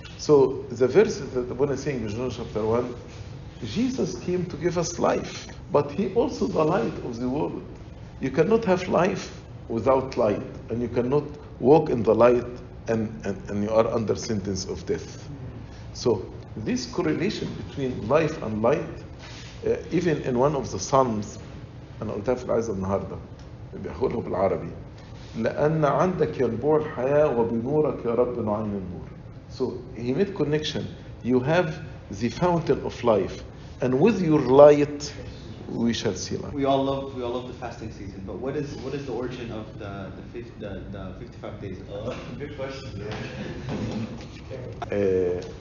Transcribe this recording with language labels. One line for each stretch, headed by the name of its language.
English: So the verse that the Bible is saying in John chapter 1, Jesus came to give us life, but he also the light of the world. You cannot have life without light, and you cannot walk in the light and you are under sentence of death. So this correlation between life and light, even in one of the Psalms,
Arabic: أنا قلتها في العزة النهاردة بيقوله بالعربي لأن عندك ينبوع الحياة وبنورك يا رب نعين النور.
English: So he made connection. You have the fountain of life, and with your light, we shall see light. We all love the fasting season, but what is the origin of the 55 days? Good question.